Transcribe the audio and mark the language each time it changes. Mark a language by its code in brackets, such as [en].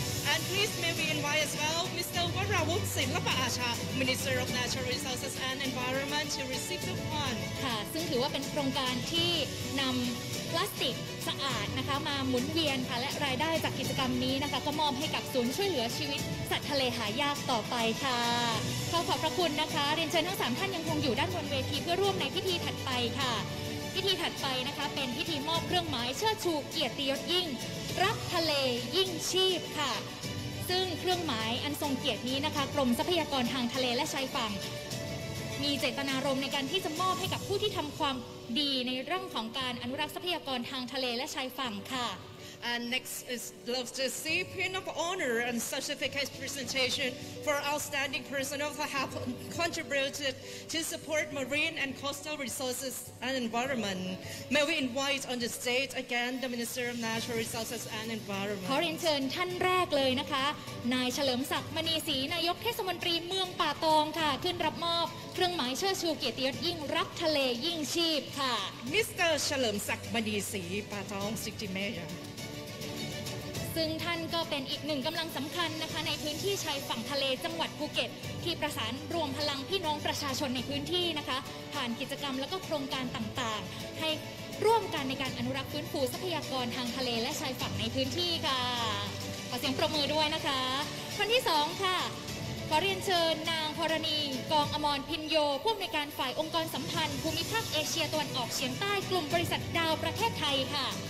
[en] And please may we invite as well Mr. Warawut Sinlapa Acha, Minister of Natural Resources and Environment, to receive the fund. [th] ค่ะซึ่งถือว่าเป็นโครงการที่นำพลาสติกสะอาดนะคะมาหมุนเวียนค่ะและรายได้จากกิจกรรมนี้นะคะก็มอบให้กับศูนย์ช่วยเหลือชีวิตสัตว์ทะเลหายากต่อไปค่ะขอขอบพระคุณนะคะเรียนเชิญทั้ง3ท่านยังคงอยู่ด้านบนเวทีเพื่อร่วมในพิธีถัดไปค่ะพิธีถัดไปนะคะเป็นพิธีมอบเครื่องหมายเชิดชูเกียรติยศยิ่งรักทะเลยิ่งชีพค่ะ ซึ่งเครื่องหมายอันทรงเกียรตินี้นะคะกรมทรัพยากรทางทะเลและชายฝั่งมีเจตนารมณ์ในการที่จะมอบให้กับผู้ที่ทำความดีในเรื่องของการอนุรักษ์ทรัพยากรทางทะเลและชายฝั่งค่ะ [en] And next is love to see pin of honor and certificate presentation for outstanding personnel who have contributed to support marine and coastal resources and environment. May we invite on the stage again the Minister of Natural Resources and Environment. [th] ขอเรียนเชิญท่านแรกเลยนะคะนายเฉลิมศักดิ์มณีศรีนายกเทศมนตรีเมืองป่าตองค่ะขึ้นรับมอบเครื่องหมายเชิดชูเกียรติยศยิ่งรักทะเลยิ่งชีพค่ะ [en] Mr. [th] เฉลิมศักดิ์มณีศรีป่าตอง [en] City Mayor [th] ซึ่งท่านก็เป็นอีกหนึ่งกำลังสำคัญนะคะในพื้นที่ชายฝั่งทะเลจังหวัดภูเก็ตที่ประสานรวมพลังพี่น้องประชาชนในพื้นที่นะคะผ่านกิจกรรมและก็โครงการต่างๆให้ร่วมกันในการอนุรักษ์ฟื้นฟูทรัพยากรทางทะเลและชายฝั่งในพื้นที่ค่ะขอเสียงปรบมือด้วยนะคะคนที่สองค่ะขอเรียนเชิญนางพรณีกองอมรพินโยผู้อำนวยการฝ่ายองค์กรสัมพันธ์ภูมิภาคเอเชียตะวันออกเฉียงใต้กลุ่มบริษัทดาวประเทศไทยค่ะ